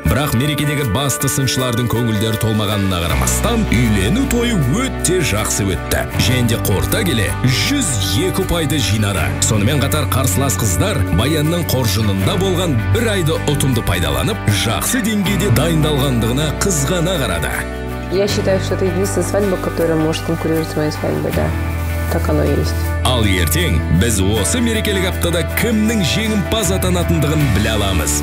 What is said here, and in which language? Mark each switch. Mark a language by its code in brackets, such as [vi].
[kk] Бірақ мерекедегі басты сыншылардың көңілдері толмағанына қарамастан, үйлену тойы өте жақсы өтті. Және қорыта келе 102 ұпайды жинады. Сонымен қатар қарсылас қыздар Баянның қоржынында болған бір айды ұтымды пайдаланып, жақсы деңгейде дайындалғандығына қызғана қарады. [ru] Я считаю, что это единственная свадьба, которая может конкурировать с моей свадьбой, да. Так оно и есть. [kk] Ал ертең біз осы мерекелік аптада кімнің жеңімпаз атанатындығын біле аламыз.